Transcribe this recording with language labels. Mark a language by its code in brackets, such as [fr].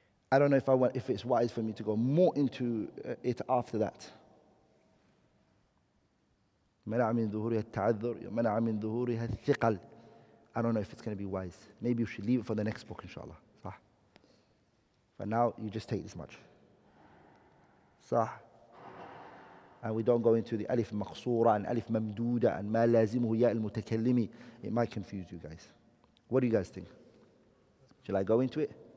[en] I don't know if it's wise for me to go more into it after that. [ar] منع من ظهورها التعذر منع من ظهورها الثقل. [en] I don't know if it's going to be wise. Maybe you should leave it for the next book, inshallah. [ar] صح. [en] For now, you just take this much. صح. And we don't go into the alif maqsura and alif mamduda and ma lazimuhu ya al mutakallimi. It might confuse you guys. What do you guys think? Shall I go into it?